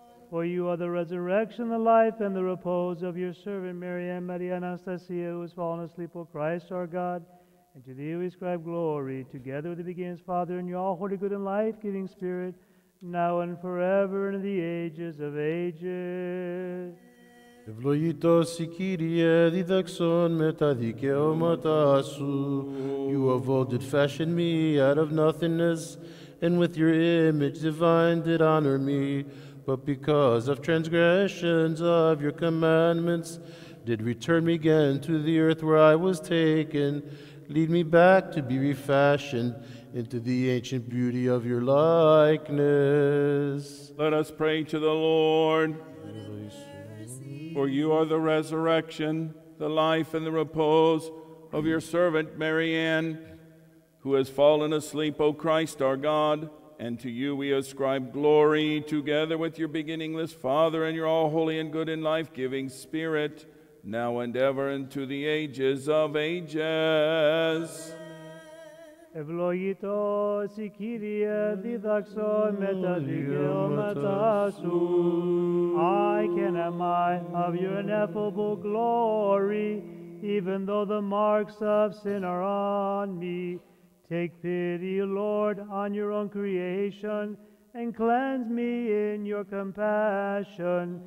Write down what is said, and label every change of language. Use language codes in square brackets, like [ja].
[en] For you are the resurrection, the life, and the repose of your servant, Maryann, Maria Anastasia, who has fallen asleep, O Christ our God. And to thee we ascribe glory, together with the beginning's Father, and your all holy, good, and life-giving Spirit, now and forever, and in the ages of ages. [el] Ευλογητός η Κύριε, διδαξών με τα δικαιώματά σου. [en] You of old did fashion me out of nothingness, and with your image divine did honor me. But because of transgressions of your commandments, did return me again to the earth where I was taken. Lead me back to be refashioned into the ancient beauty of your likeness. Let us pray to the Lord. For you are the resurrection, the life, and the repose of your servant, Maryann, who has fallen asleep, O Christ our God. And to you we ascribe glory, together with your beginningless Father and your all-holy and good and life-giving Spirit, now and ever, and to the ages of ages. [el] Ευλογητός η Κύριε, διδάξον με τα δικαιώματά σου. [en] I can am I of your ineffable glory, even though the marks of sin are on me. Take pity, Lord, on your own creation, and cleanse me in your compassion.